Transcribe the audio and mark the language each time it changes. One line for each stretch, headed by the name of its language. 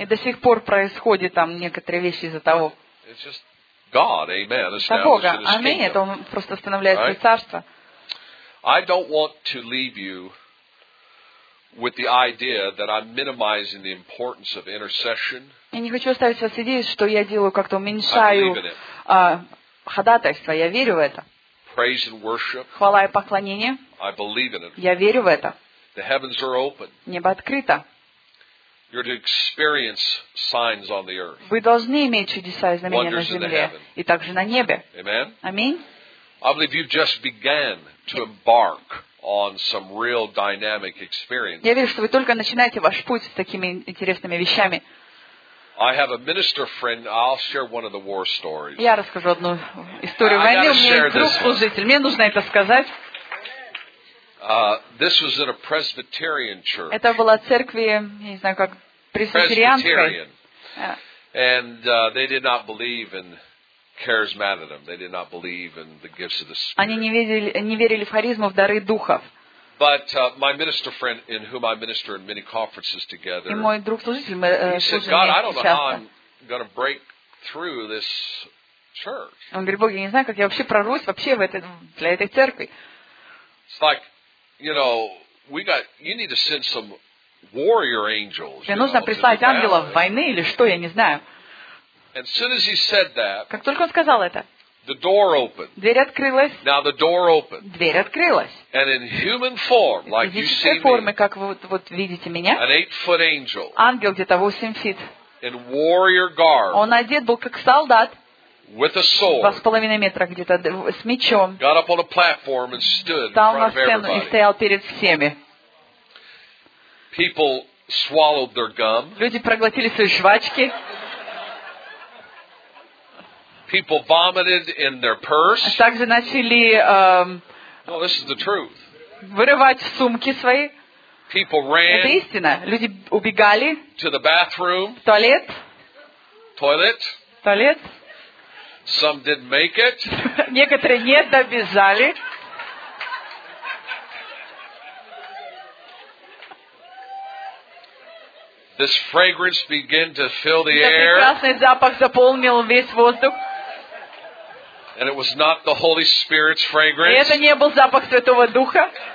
Russian: И до сих пор происходят там некоторые вещи из-за того.
English: It's just God, amen.
Russian: Это Бога, аминь. Это Он просто становляет свое царство.
English: I don't want to leave you with the idea that I'm minimizing the importance of intercession.
Russian: Я не хочу оставить вас с идеей, что я делаю как-то уменьшаю ходатайство. Я верю в это.
English: praise and worship.
Russian: Хвала и поклонение.
English: I believe in it.
Russian: Я верю в это.
English: The heavens are open.
Russian: Небо открыто.
English: You're to experience signs on the earth.
Russian: Вы должны иметь чудеса и знамения на земле и также на небе.
English: Amen.
Russian: Аминь.
English: I believe you've just began to embark on some real dynamic experience.
Russian: Я верю, что вы только начинаете ваш путь с такими интересными вещами.
English: I have a minister friend. I'll share one of the war stories.
Russian: Я расскажу одну историю войны. У меня есть друг служитель. Мне нужно это сказать.
English: This was in a Presbyterian church.
Russian: Это была церковь, я не знаю, как пресвитерианская.
English: And they did not believe in charismatism. They did not believe in the gifts of the Spirit.
Russian: Они не верили в харизму, в дары духов.
English: But my minister friend, in whom I minister in many conferences together,
Russian: и мой друг служитель, мы служим
English: He said, "God, I don't know how I'm going to break through this church."
Russian: Он говорит, Бог, я не знаю, как я вообще прорвусь вообще в этой для этой церкви.
English: It's like, you know, you need to send some warrior angels.
Russian: Мне нужно прислать ангелов войны или что, я не знаю.
English: And as soon as he said that,
Russian: как только он сказал это,
English: the door opened.
Russian: Дверь открылась.
English: Now the door opened.
Russian: Дверь открылась.
English: And in human form, like you see me,
Russian: форме, как вы вот видите меня,
English: an 8-foot angel,
Russian: ангел где-то 8 feet,
English: in warrior garb,
Russian: он одет был как солдат,
English: with a sword,
Russian: 2.5 метра где-то с мечом,
English: got up on a platform and stood in front of everybody.
Russian: И стоял перед всеми.
English: People swallowed their gum.
Russian: Люди проглотили свои жвачки.
English: People vomited in their purse.
Russian: Также начали
English: this is the truth.
Russian: Вырывать сумки свои.
English: People ran.
Russian: Это истина. Люди убегали.
English: To the bathroom.
Russian: В туалет.
English: Toilet.
Russian: Туалет.
English: Some didn't make it.
Russian: Некоторые не добежали.
English: This fragrance began to fill the air.
Russian: Прекрасный запах заполнил весь воздух.
English: And it was not the Holy Spirit's fragrance.
Russian: Это не был запах Святого Духа.